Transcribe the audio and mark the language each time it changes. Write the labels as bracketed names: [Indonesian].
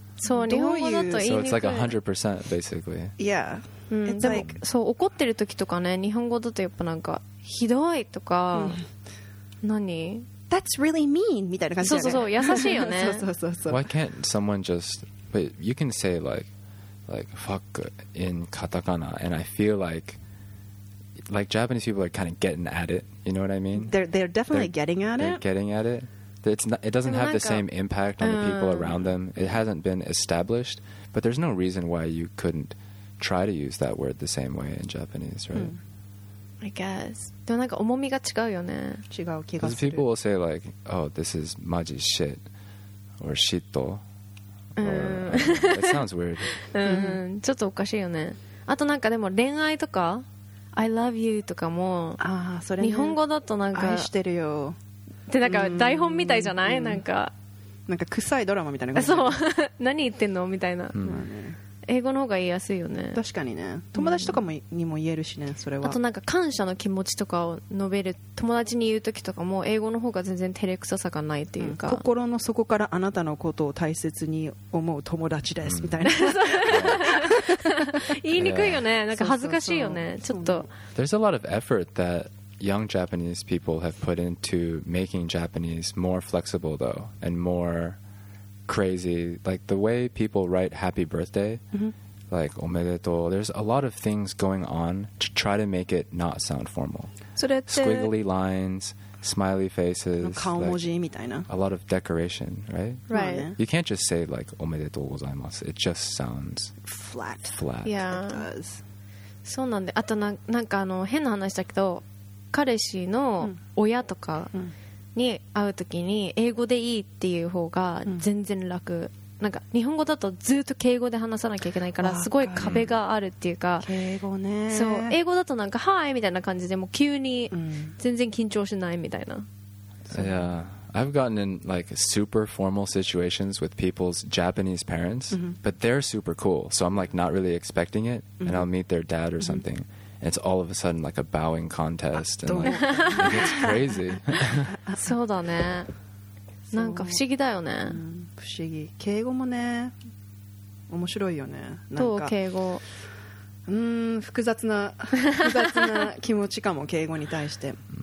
[Japanese] そう、日本語だと言いにくい。 [English] So it's like 100% basically. Yeah. It's like... [Japanese] そう、怒ってる時とかね、日本語だとやっぱなんか、ひどいとか、何? [English] That's really mean [Japanese] みたいな感じだよね。そうそうそう、優しいよね。そう。 [English] Why can't someone just but you can say like fuck in katakana and I feel like Japanese people are kind of getting at it. You know what I mean? They're definitely getting at it. They're getting at it. It doesn't have the same impact on the people around them. It hasn't been established, but there's no reason why you couldn't try to use that word the same way in Japanese, right? I guess. [Japanese] でもなんか重みが違うよね。違う気がする。 [English] Because people will say like, oh, this is maji shit, or shit, or it sounds weird. [Japanese] ちょっとおかしいよね。あとなんかでも恋愛とか、 [English] I love you [Japanese] とかも、ああそれ、ね、日本語だとなんか愛してるよ。でなんか台本みたいじゃない？なんか臭いドラマみたいな感じ。そう。何言ってんのみたいな。英語の方が言いやすいよね。確かにね。友達とかも、にも言えるしね、それは。あとなんか感謝の気持ちとかを述べる、友達に言う時とかも英語の方が全然照れくささがないっていうか、心の底からあなたのことを大切に思う友達ですみたいな。言いにくいよね、なんか恥ずかしいよね。そうそうそう、ちょっと。 [English] There's a lot of effort that young Japanese people have put into making Japanese more flexible though and moreCrazy, like the way people write happy birthday, like omedetou. There's a lot of things going on to try to make it not sound formal. [Japanese] それって [English] squiggly lines, smiley faces, [Japanese] 顔文字みたいな、 [English] like, a lot of decoration, right? Right. You can't just say like [Japanese] おめでとうございます. [English] It just sounds flat. Flat. Yeah. It does. [Japanese] そうなんで、あとなんかあの変な話だけど、彼氏の親とかに会うときに英語でいいっていう方が全然楽。うん、なんか日本語だとずっと敬語で話さなきゃいけないからすごい壁があるっていうか、敬語ね、そう、英語だとなんか「はい」みたいな感じでもう急に全然緊張しないみたいな。 [English] Yeah, I've gotten in like super formal situations with people's Japanese parents, but they're super cool, so I'm like not really expecting it, and I'll meet their dad or something. It's all of a sudden like a bowing contest, and like it's crazy. [Japanese] そうだね、なんか不思議だよね。不思議、敬語もね面白いよね。どう敬語、複雑な複雑な気持ちかも敬語に対して。